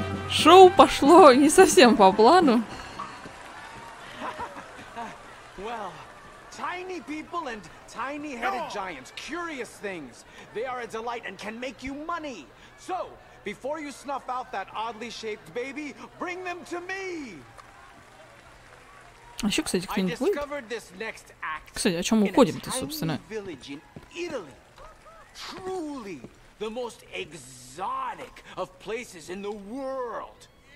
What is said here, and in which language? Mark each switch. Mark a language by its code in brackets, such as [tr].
[ru] Шоу пошло не совсем по плану. [en] Well, tiny people and tiny-headed giants, curious things. They are a delight and can make you money. So, before you snuff out that oddly shaped baby, bring them to me. [ru] А еще, кстати, кто-нибудь будет? [en] I discovered this next act. [ru] Кстати, о чем уходим-то, собственно? [en] In a tiny village in Italy. Truly. The most exotic of places in the world.